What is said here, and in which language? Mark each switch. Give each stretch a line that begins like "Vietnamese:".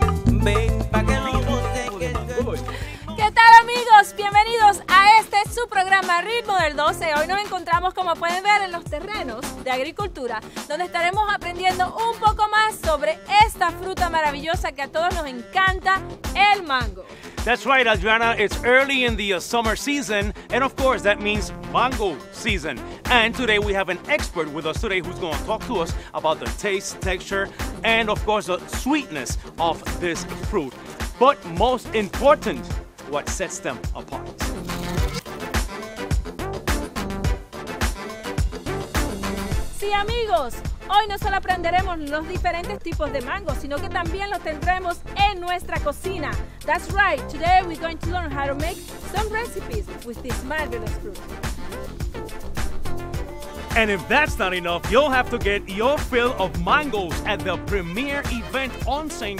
Spanish: Ven pa' que lo goce. ¿Qué tal, amigos? Bienvenidos a este su programa Ritmo del 12. Hoy nos encontramos, como pueden ver, en los terrenos de agricultura, donde estaremos aprendiendo un poco más sobre esta fruta maravillosa que a todos nos encanta, el mango.
English: That's right, Adriana, it's early in the summer season, and of course that means mango season. And today we have an expert with us today who's going to talk to us about the taste, texture, and of course the sweetness of this fruit. But most important, what sets them apart.
Spanish: Sí, amigos, hoy no solo aprenderemos los diferentes tipos de mango, sino que también los tendremos en nuestra cocina.
English: That's right, today we're going to learn how to make some recipes with this marvelous fruit. And if that's not enough, you'll have to get your fill of mangoes at the premier event on St.